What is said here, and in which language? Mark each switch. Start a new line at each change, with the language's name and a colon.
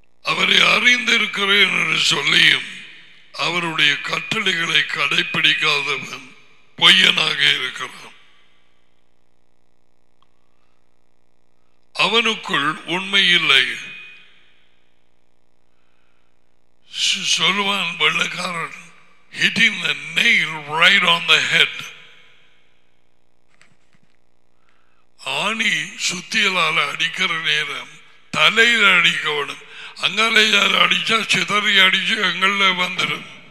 Tamil: அவரை அறிந்திருக்கிறேன் என்று சொல்லியும் அவருடைய கட்டளைகளை கடைபிடிக்காதவன் பொய்யனாக இருக்கிறான், அவனுக்குள் உண்மை இல்லை. சொல்வான் வெள்ளக்காரன்
English: hitting the nail right on the head.
Tamil: ஆணி சுத்தியலால அடிக்கிற நேரம் தலையில் அடிக்கவனும் அங்காலே அடிச்சா சிதறி அடிச்சு எங்கள வந்துடும்.